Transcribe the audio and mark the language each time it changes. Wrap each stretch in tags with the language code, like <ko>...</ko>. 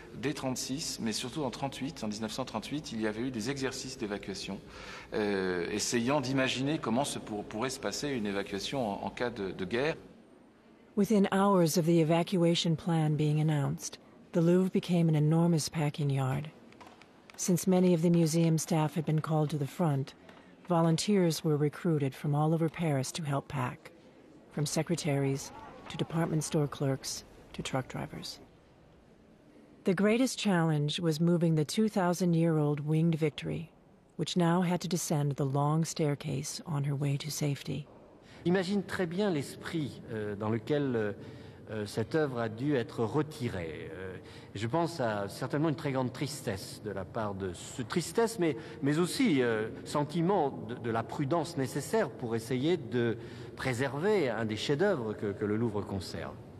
<fr>Dès 36, mais surtout en 38, en 1938, il y avait eu des exercices d'évacuation, essayant d'imaginer comment pourrait se passer une évacuation en cas de guerre.</fr> <en>Within hours of the evacuation plan being announced, the Louvre became an enormous packing yard. Since many of the museum staff had been called to the front, volunteers were recruited from all over Paris to help pack, from secretaries to department store clerks to truck drivers. The greatest challenge was moving the 2,000-year-old Winged Victory, which now had to descend the long staircase on her way to safety.</en> <fr>Imagine très bien l'esprit dans lequel cette œuvre a dû être retirée. Je pense à certainement une très grande tristesse de la part de ce tristesse, mais aussi sentiment de la prudence nécessaire pour essayer de préserver un des chefs-d'œuvre que le Louvre conserve.</fr>